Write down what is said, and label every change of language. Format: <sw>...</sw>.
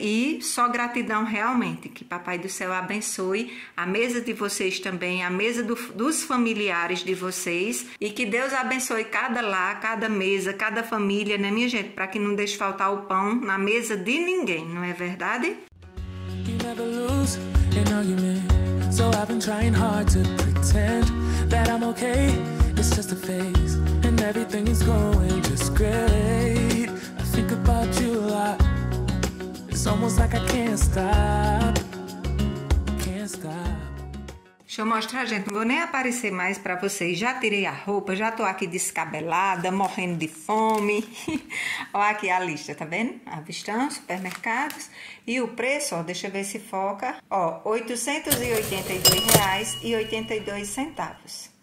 <pt>E só gratidão realmente. Que Papai do Céu abençoe a mesa de vocês também, a mesa dos familiares de vocês. E que Deus abençoe cada lar, cada mesa, cada família, né, minha gente? Para que não deixe faltar o pão na mesa de ninguém, não é verdade?</pt> <en>You never lose an argument, so I've been trying hard to pretend that I'm okay. It's just a phase, and everything is going just great. I think about you a lot. It's almost like I can't stop. Can't stop.</en> <pt>Deixa eu mostrar, gente, não vou nem aparecer mais pra vocês. Já tirei a roupa, já tô aqui descabelada, morrendo de fome. Olha aqui a lista, tá vendo? Avistão, supermercados. E o preço, ó, deixa eu ver se foca. Ó, R$882,82.</pt>